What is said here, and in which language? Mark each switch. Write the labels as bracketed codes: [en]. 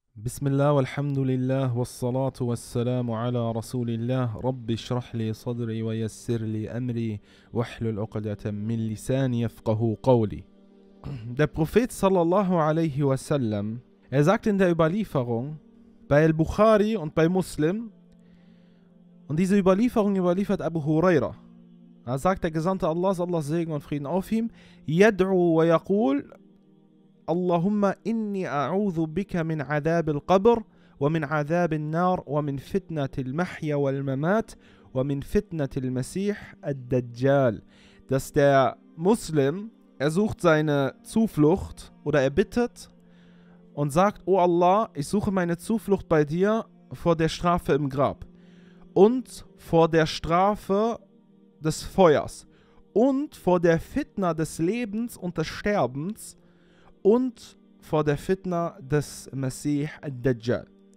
[ar] بسم الله والحمد لله والصلاة والسلام على رسول الله رب اشرح لي صدري ويسر لي أمري واحلل عقدة من لساني يفقه قولي. [de] Der Prophet sallallahu alaihi wasallam, er sagt in der Überlieferung bei Al-Bukhari und bei Muslim, und diese Überlieferung überliefert Abu Huraira. Er sagt, der Gesandte Allahs, Allahs Segen und Frieden auf ihm, [ar] يدعو ويقول اللهم إني أعوذ بك من عذاب القبر ومن عذاب النار ومن فتنة المحيا والممات ومن فتنة المسيح الدجال. [de] Dass der Muslim, er sucht seine Zuflucht oder er bittet und sagt, O Allah, ich suche meine Zuflucht bei dir vor der Strafe im Grab und vor der Strafe des Feuers und vor der Fitna des Lebens und des Sterbens und vor der Fitna des Messias Dajjal.